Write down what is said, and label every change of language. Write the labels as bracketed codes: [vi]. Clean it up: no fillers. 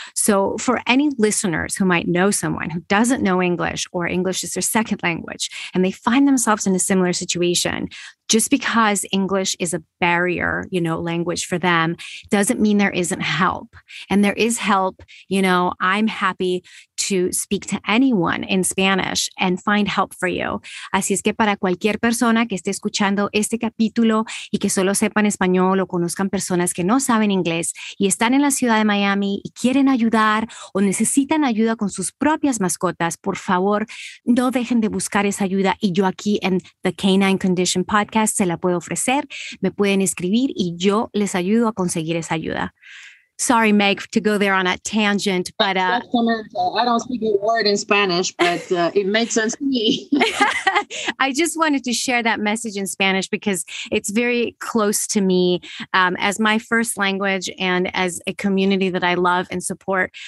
[en] So for any listeners who might know someone who doesn't know English or English is their second language, and they find themselves in a similar situation, just because English is a barrier, you know, language for them, doesn't mean there isn't help. And there is help. You know, I'm happy to speak to anyone in Spanish and find help for you. [es] Así es que para cualquier persona que esté escuchando este capítulo y que solo sepan español o conozcan personas que no saben inglés y están en la ciudad de Miami y quieren ayudar o necesitan ayuda con sus propias mascotas, por favor, no dejen de buscar esa ayuda. Y yo aquí en The Canine Condition Podcast se la puedo ofrecer. Me pueden escribir y yo les ayudo a conseguir esa ayuda. [en] Sorry, Meg, to go there on a tangent, but I don't speak a word in Spanish, but it made sense to me. I just wanted to share that message in Spanish because it's very close to me as my first language and as a community that I love and support.